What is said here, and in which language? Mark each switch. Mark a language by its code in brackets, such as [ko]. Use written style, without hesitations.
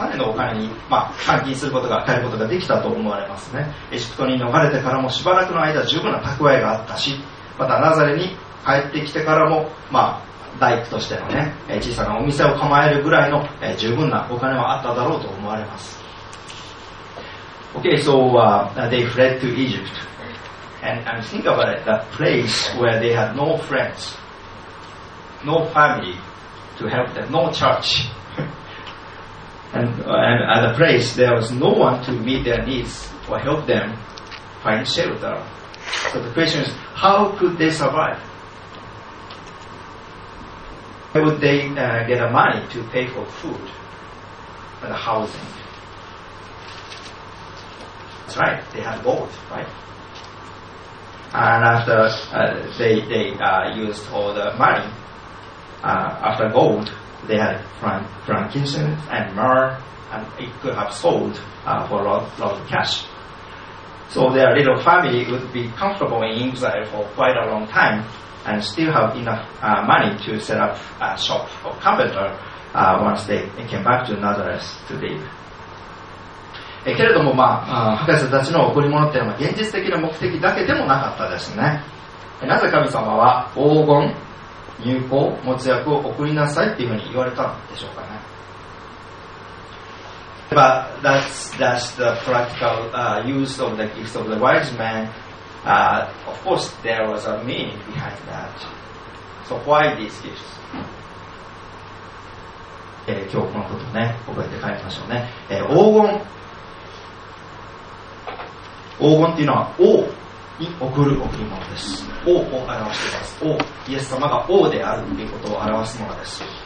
[ja] かなりのお金に、まあ、換金することが買えることができたと思われますね。エジプトに逃れてからもしばらくの間十分な蓄えがあったし、またナザレに帰ってきてからも、まあ大工としてのね、小さなお店を構えるぐらいの十分なお金はあっただろうと思われます。 [en] Okay, so、they fled to Egypt and think about it, that place where they had no friends, no family to help them, no church and at the place there was no one to meet their needs or help them find shelter. So the question is, how could they survive? Where would they get the money to pay for food and housing? That's right, they had both, right? And after they used all the money, after gold, they had frankincense and myrrh, and it could have sold for a lot of cash. So their little family would be comfortable in exile for quite a long time. And still have enough money to set up a shop or carpenter once they came back to Nazareth to live. [ja] けれども、まあ、博士たちの贈り物というのは現実的な目的だけでもなかったですね。なぜ神様は黄金、乳香、持ち薬を送りなさいというふうに言われたんでしょうかね。 [en] But that's the practical use of the gifts of the wise man. Of course, there was a meaning behind that. So why these gifts? [ja] 今日このことをね、覚えて帰りましょうね。黄金、黄金っていうのは王に贈る贈り物です。王を表しています。王、イエス様が王であるということを表すものです。